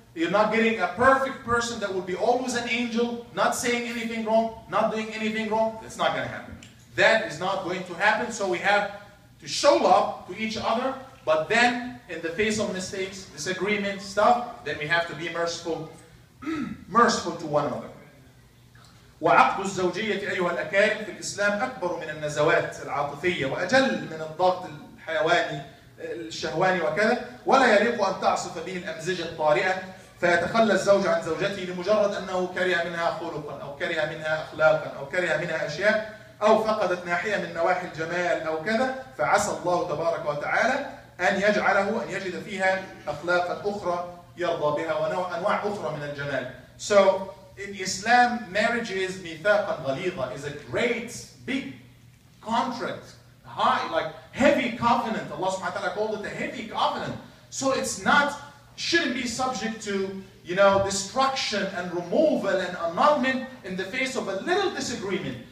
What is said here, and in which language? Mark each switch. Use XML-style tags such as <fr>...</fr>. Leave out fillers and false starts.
<en>You're not getting a perfect person that would be always an angel, not saying anything wrong, not doing anything wrong. That's not going to happen. That is not going to happen. So we have to show love to each other. But then, in the face of mistakes, disagreement, stuff, then we have to be merciful, merciful to one another.</en> <ar>وعقد الزوجية أيها الأكارم في الإسلام أكبر من النزوات العاطفية وأجل من الضغط الحيواني الشهواني وكذا ولا يليق أن تعصف به الأمزجة الطارئة فيتخلى الزوج عن زوجته لمجرد أنه كره منها خلقا أو كره منها أخلاقا أو كره منها أشياء أو فقدت ناحية من نواحي الجمال أو كذا فعسى الله تبارك وتعالى أن يجعله أن يجد فيها أخلاقا أخرى يرضى بها ونوع أنواع أخرى من الجمال.</ar> <en>So in Islam, marriage is mithaqan ghaliza, is a great big contract, high, like heavy covenant. Allah subhanahu wa ta'ala called it a heavy covenant. So it's not, shouldn't be subject to, you know, destruction and removal and annulment in the face of a little disagreement.</en>